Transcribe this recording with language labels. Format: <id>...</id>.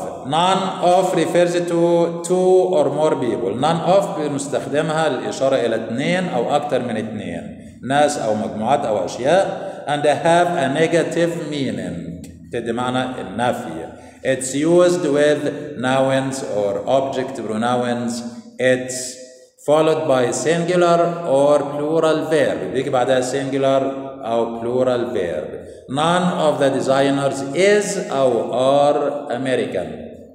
<en>None of refers to two or more people.</en> <ar>None of بنستخدمها للإشارة إلى اثنين أو أكثر من اثنين، ناس أو مجموعات أو أشياء.</ar> <en>And have a negative meaning.</en> <ar>تدي معنى النفي.</ar> <en>It's used with nouns or object pronouns. It's followed by singular or plural verb.</en> <ar>بيجي بعدها singular أو plural verb.</ar> <en>None of the designers is أو are American.</en>